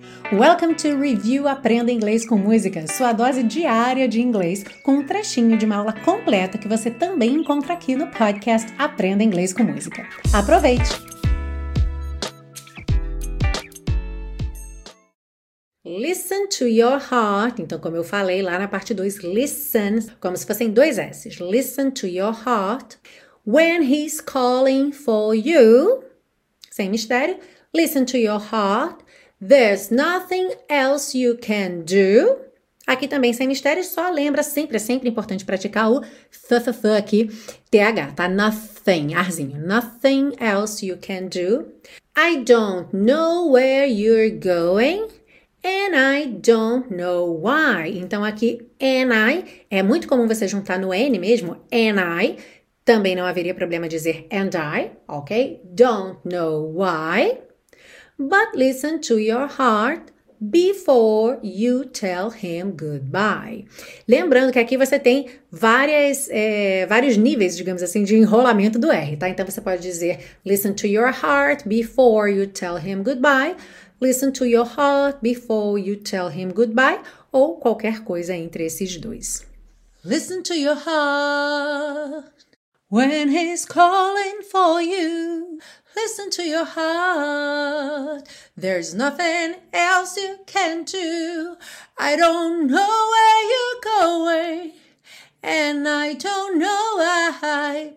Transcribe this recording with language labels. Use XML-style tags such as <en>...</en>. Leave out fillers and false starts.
<pt>Welcome to Review Aprenda Inglês com Música, sua dose diária de inglês com um trechinho de uma aula completa que você também encontra aqui no podcast Aprenda Inglês com Música. Aproveite!</pt> <en>Listen to your heart.</en> <pt>Então, como eu falei lá na parte 2, listen, como se fossem dois S's.</pt> <en>Listen to your heart. When he's calling for you,</en> <pt>sem mistério,</pt> <en>listen to your heart. There's nothing else you can do.</en> <pt>Aqui também sem mistério, só lembra sempre, é sempre importante praticar o th aqui, th, tá?</pt> <en>Nothing, arzinho. Nothing else you can do. I don't know where you're going. And I don't know why.</en> <pt>Então, aqui, and I, é muito comum você juntar no N mesmo, and I. Também não haveria problema dizer and I, ok?</pt> <en>Don't know why. But listen to your heart before you tell him goodbye.</en> <pt>Lembrando que aqui você tem vários níveis, digamos assim, de enrolamento do R, tá? Então, você pode dizer</pt> <en>listen to your heart before you tell him goodbye. Listen to your heart before you tell him goodbye.</en> <pt>Ou qualquer coisa entre esses dois.</pt> <en>Listen to your heart when he's calling for you. Listen to your heart. There's nothing else you can do. I don't know where you're going. And I don't know why.</en>